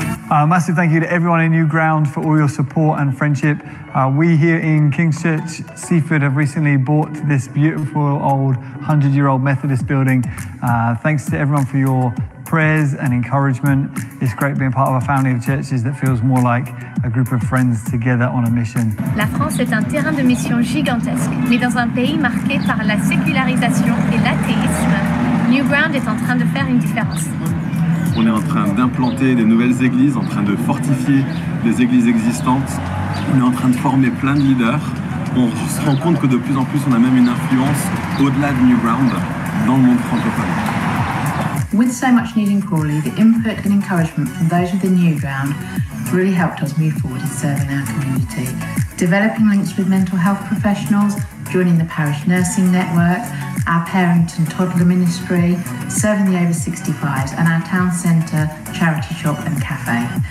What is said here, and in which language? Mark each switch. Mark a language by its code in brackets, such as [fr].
[en] A massive thank you to everyone in New Ground for all your support and friendship. We here in King's Church, Seaford, have recently bought this beautiful old 100-year-old Methodist building. Thanks to everyone for your prayers and encouragement. It's great being part of a family of churches that feels more like a group of friends together on a mission. [fr] La France est un terrain de mission gigantesque, mais dans un pays marqué par la sécularisation et l'athéisme, New Ground est en train de faire une différence. On est en train d'implanter des nouvelles églises, en train de fortifier des églises existantes. On est en train de former plein de leaders. On se rend compte que de plus en plus, on a même une influence au-delà de New Ground dans le monde francophone. [en] With so much needing Crawley, the input and encouragement from those within New Ground really helped us move forward in serving our community. Developing links with mental health professionals, joining the parish nursing network, our parent and toddler ministry, serving the over 65s, and our town centre, charity shop and cafe.